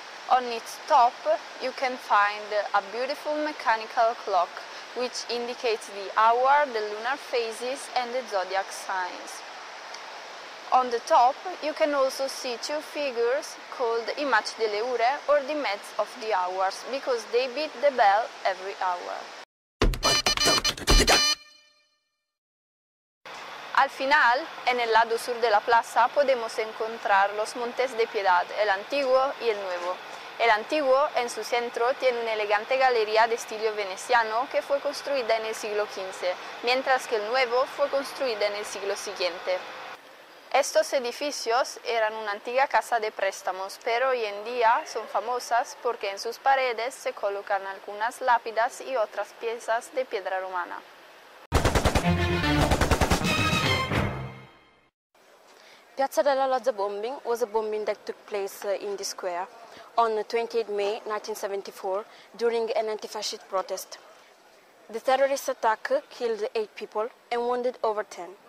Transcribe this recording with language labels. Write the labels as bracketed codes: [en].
[en] On its top, you can find a beautiful mechanical clock, which indicates the hour, the lunar phases and the zodiac signs. On the top, you can also see two figures called Image delle Ure or the Maids of the Hours because they beat the bell every hour. [es] Al final, en el lado sur de la plaza, podemos encontrar los Montes de Piedad, el antiguo y el nuevo. El antiguo, en su centro, tiene una elegante galería de estilo veneciano que fue construida en el siglo XV, mientras que el nuevo fue construida en el siglo siguiente. Estos edificios eran una antigua casa de préstamos, pero hoy en día son famosas porque en sus paredes se colocan algunas lápidas y otras piezas de piedra romana. [en] Piazza della Loggia bombing was a bombing that took place in the square on 28 May 1974 during an anti-fascist protest. The terrorist attack killed 8 people and wounded over 10.